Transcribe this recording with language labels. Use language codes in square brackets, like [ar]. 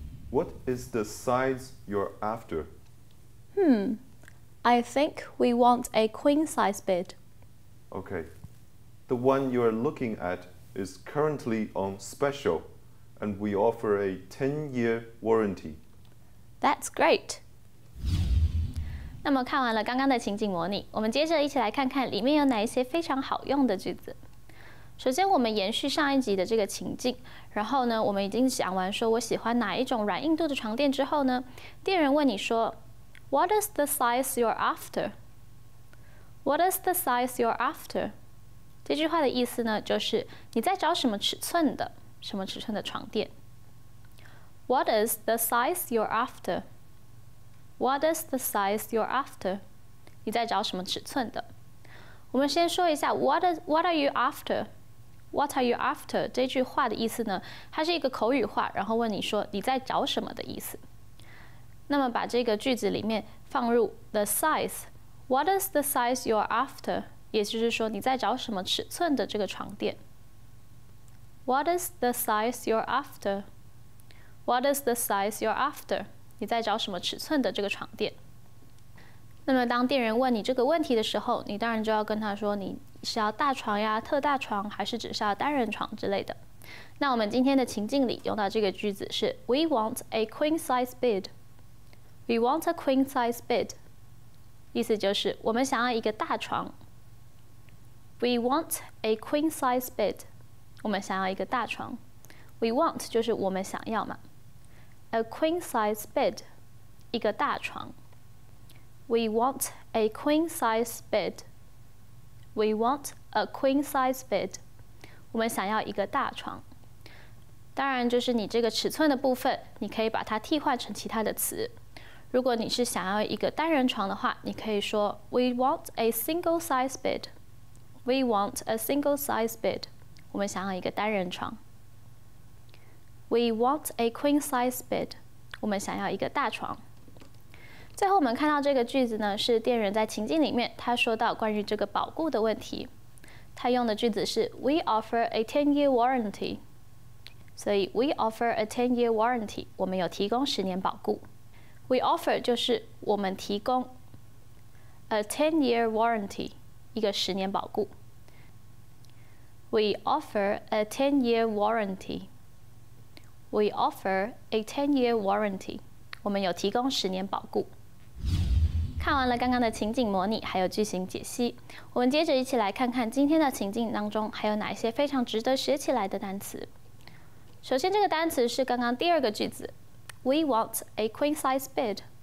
[en] What is the size you're after? I think we want a queen size bed. Okay, the one you're looking at is currently on special. And we offer a 10-year warranty. That's great. [zh] 那么看完了刚刚的情景模拟，我们接着一起来看看里面有哪一些非常好用的句子。首先，我们延续上一集的这个情境，然后呢，我们已经讲完说我喜欢哪一种软硬度的床垫之后呢，店员问你说 ， [en] What is the size you're after? What is the size you're after? [zh] 这句话的意思呢，就是你在找什么尺寸的。什么尺寸的床垫 [en] ？What is the size you're after? What is the size you're after? [zh] 你在找什么尺寸的？我们先说一下 [en] What are you after? What are you after? [zh] 这句话的意思呢？它是一个口语化，然后问你说你在找什么的意思。那么把这个句子里面放入 the size. [en] What is the size you're after? [zh] 也就是说你在找什么尺寸的这个床垫。 [en] What is the size you're after? What is the size you're after? [zh] 你在找什么尺寸的这个床垫？那么当店员问你这个问题的时候，你当然就要跟他说你是要大床呀、特大床，还是只是要单人床之类的。那我们今天的情境里用到这个句子是 [en] We want a queen size bed. We want a queen size bed. [zh] 意思就是我们想要一个大床。 [en] We want a queen size bed. [zh] 我们想要一个大床 [en] ，We want [zh] 就是我们想要嘛 [en] ，a queen size bed， [zh] 一个大床 [en] ，We want a queen size bed，We want a queen size bed， 我们想要一个大床。 [zh] 当然，就是你这个尺寸的部分，你可以把它替换成其他的词。如果你是想要一个单人床的话，你可以说 [en] We want a single size bed，We want a single size bed。 [zh] 我们想要一个单人床。 [en] We want a queen size bed. [zh] 我们想要一个大床。最后我们看到这个句子呢，是店员在情境里面，他说到关于这个保固的问题。他用的句子是 [en] We offer a 10-year warranty. 所以 We offer a 10-year warranty. [zh] 我们有提供十年保固。 [en] We offer [zh] 就是我们提供 [en] a 10-year warranty, [zh] 一个十年保固。 [en] We offer a 10-year warranty. We offer a 10-year warranty. [zh] 我们有提供十年保固。看完了刚刚的情景模拟，还有句型解析，我们接着一起来看看今天的情境当中还有哪一些非常值得学起来的单词。首先，这个单词是刚刚第二个句子 ， [en] We want a queen size bed.